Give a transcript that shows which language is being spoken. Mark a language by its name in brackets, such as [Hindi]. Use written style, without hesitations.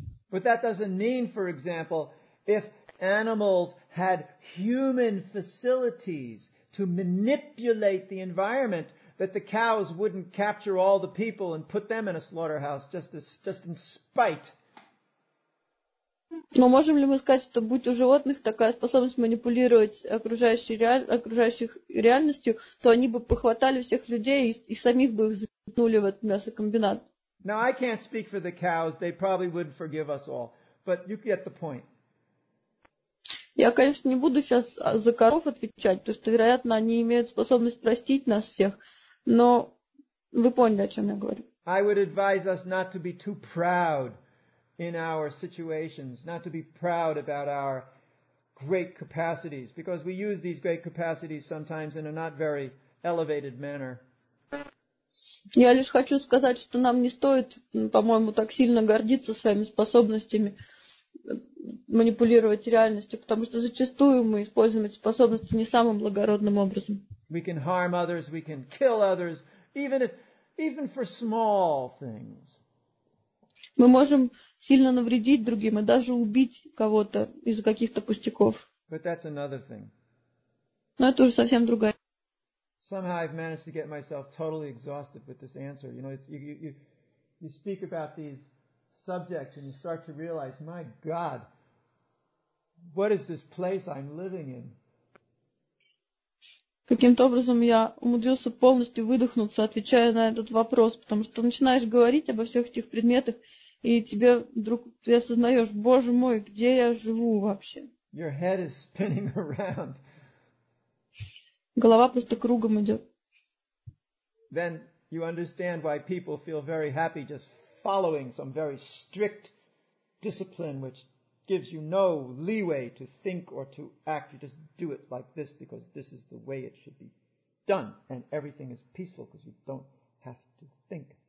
[English] But that doesn't mean, for example, if animals had human facilities to manipulate the environment, that the cows wouldn't capture all the people and put them in a slaughterhouse just in spite. [Russian] Но можем ли мы сказать, что будь у животных такая способность манипулировать окружающей реальностью, то они бы похватали всех людей и самих бы их запихнули в этот мясокомбинат? [English] Now, I can't speak for the cows. They probably wouldn't forgive us all. But you get the point. [Russian] Я, конечно, не буду сейчас за коров отвечать, потому что, вероятно, они имеют способность простить нас всех. Но вы поняли, о чем я говорю. [English] I would advise us not to be too proud in our situations, not to be proud about our great capacities, because we use these great capacities sometimes in a not very elevated manner. [Russian] Я лишь хочу сказать, что нам не стоит, по-моему, так сильно гордиться своими способностями манипулировать реальностью, потому что зачастую мы используем эти способности не самым благородным образом. [English] We can harm others, we can kill others, even for small things. [Russian] Мы можем сильно навредить другим и даже убить кого-то из-за каких-то пустяков. [English] But that's another thing. [Russian] Но это уже совсем другая. [English] Somehow I've managed to get myself totally exhausted with this answer. You know, it's, you speak about these subjects and you start to realize, my God, what is this place I'm living in? [Russian] Каким-то образом я умудрился полностью выдохнуться, отвечая на этот вопрос, потому что начинаешь говорить обо всех этих предметах, и тебе вдруг ты осознаешь, Боже мой, где я живу вообще? [English] Your head is spinning around. [Russian] Голова просто кругом идет. [English] Then you understand why people feel very happy just following some very strict discipline which gives you no leeway to think or to act. You just do it like this because this is the way it should be done. And everything is peaceful because you don't have to think.